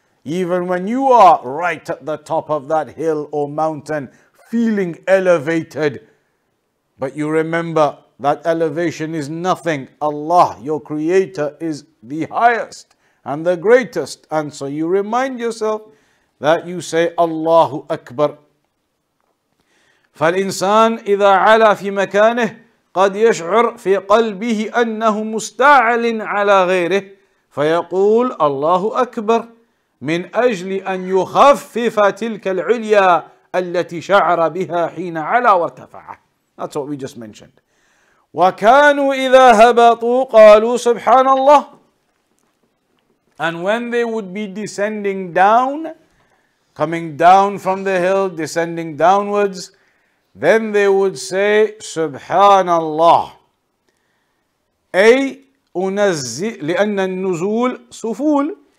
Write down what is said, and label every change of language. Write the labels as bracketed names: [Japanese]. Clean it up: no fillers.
[English] Even when you are right at the top of that hill or mountain, feeling elevated, but you remember that elevation is nothing. Allah, your creator, is the highest and the greatest. And so you remind yourself that you say, Allahu Akbar. [Arabic] فالإنسان إذا علا في مكانه قد يشعر في قلبه أنه مستعل على غيره فيقول الله أكبر من أجل أن يخفف تلك العليا التي شعر بها حين علا وارتفع. [English] That's what we just mentioned. [Arabic] وكانوا إذا هبطوا قالوا سبحان الله. [English] And when they would be descending down, coming down from the hill, descending downwards, then they would say, Subhanallah. [Arabic] لِأَنَّ النُّزُول سُفُول.